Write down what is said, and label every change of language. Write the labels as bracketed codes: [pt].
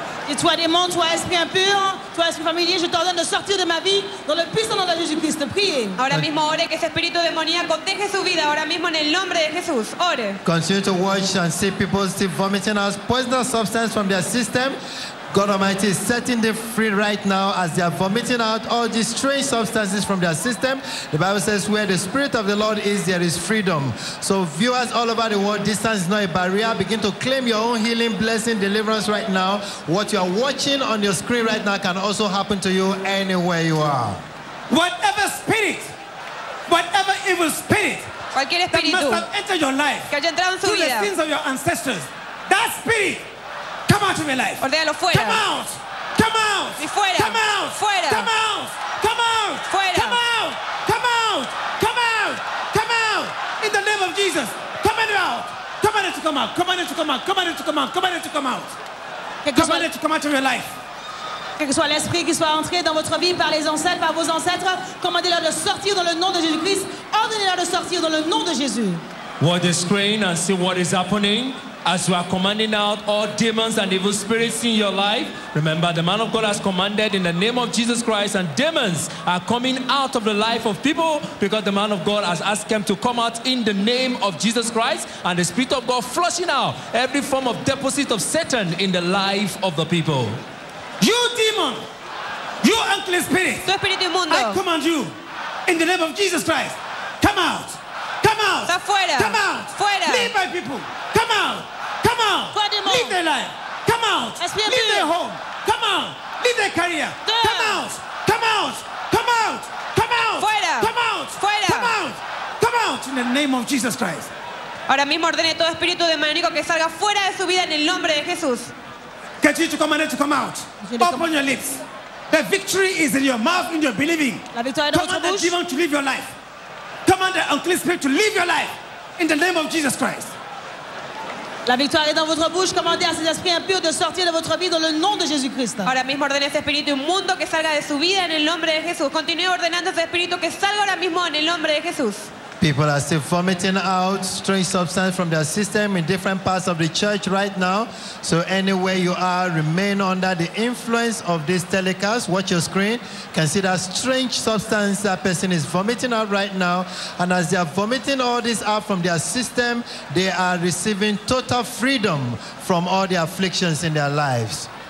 [fr] Et toi, démon, toi, esprit impur, toi, esprit familier, je t'ordonne de sortir de ma vie dans le puissant nom de Jésus-Christ. Priez. [es] Ahora mismo, ore que ese espíritu demoníaco deje su vida ahora mismo en el nombre de Jesús. Ore. [en] Continue to watch and see people still vomiting out poisonous substance from their system. God Almighty is setting them free right now as they are vomiting out all these strange substances from their system. The Bible says where the Spirit of the Lord is, there is freedom. So viewers all over the world, distance is not a barrier. Begin to claim your own healing, blessing, deliverance right now. What you are watching on your screen right now can also happen to you anywhere you are. Whatever spirit, whatever evil spirit, [es] cualquier espíritu [en] that must have entered your life [es] que haya entrado en su [en] through [es] vida. [en] The sins of your ancestors, that spirit, come out of your life. [es] Ordéalo fuera. [en] Come out. Come out. [es] Y fuera. [en] Come out. [es] Fuera. [en] Come out. Come out. [es] Fuera. [en] Come out. Come out. Come out. Come out. In the name of Jesus. Come out. Come out to come out. Come out to come out. Come out to come out. Come out to come out. Come out to come out of your life. [fr] Quel que soit l'esprit qui soit entré dans votre vie par les ancêtres, par vos ancêtres, commandez-leur de sortir dans le nom de Jésus-Christ. Ordonnez-leur de sortir dans le nom de Jésus. [en] Watch the screen and see what is happening. As you are commanding out all demons and evil spirits in your life, remember the man of God has commanded in the name of Jesus Christ, and demons are coming out of the life of people because the man of God has asked them to come out in the name of Jesus Christ, and the Spirit of God flushing out every form of deposit of Satan in the life of the people. You demon, you unclean spirit, [es] tu espíritu inmundo, [en] I command you in the name of Jesus Christ, come out. Come out. [es] Está fuera. [en] Come out. [es] Fuera. [en] Leave my people. Come out. Come out. [es] Fuera, demon. [en] Leave their life. Come out. [es] Espíritu. [en] Leave their home. Come out. Leave their career. Come out. Come out. Come out. Come out. [es] Fuera. [en] Come out. [es] Fuera. [en] Come out. Come out in the name of Jesus Christ. [es] Ahora mismo ordene todo espíritu demoníaco que salga fuera de su vida en el nombre de Jesús. [en] Get you to command it to come out. Open your lips. The victory is in your mouth, in your believing. [es] La victoria en [en] command the demon to leave your life. Command the unclean spirit to leave your life in the name of Jesus Christ. [fr] La victoire est dans votre bouche. Commandez à ces esprits impurs de sortir de votre vie dans le nom de Jésus Christ. [es] Ahora mismo ordene ese espíritu inmundo que salga de su vida en el nombre de Jesús. Continúe ordenando ese espíritu que salga ahora mismo en el nombre de Jesús. [en] People are still vomiting out strange substance from their system in different parts of the church right now. So anywhere you are, remain under the influence of this telecast. Watch your screen. Can see that strange substance that person is vomiting out right now. And as they are vomiting all this out from their system, they are receiving total freedom from all the afflictions in their lives.